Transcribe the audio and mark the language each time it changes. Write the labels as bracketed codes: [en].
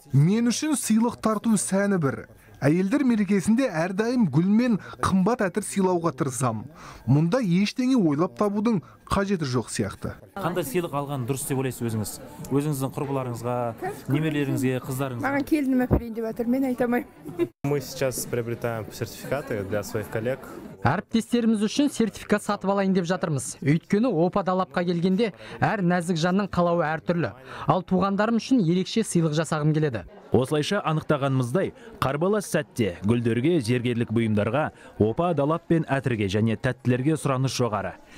[kk] Мен үшін сыйлық тарту сәні бір. Әйелдер мерекесінде әрдайым гүлмен қымбат әтір сыйлауға тырысам. Мұнда ештеңе ойлап табудың қажеті жоқ сияқты. Қандай сыйлық алған дұрыс деп ойлайсыз өзіңіз? Өзіңіздің құрбыларыңызға, немерелеріңізге, қыздарыңызға? Маған келінім әперейін деп атыр, мен айтамай. [ru] Мы сейчас приобретаем сертификаты для своих коллег. [kk] Әріптестеріміз үшін сертификат сатып алайын деп жатырмыз. Өйткені опа-далапқа келгенде әр нәзік жанның қалауы әртүрлі. Ал туғандарым үшін ерекше сыйлық жасағым келеді. Осылайша анықтағанымыздай, қарбалас сәтте гүлдерге, зергерлік бұйымдарға, опа-далап пен әтірге және тәттілерге сұраныс жоғары.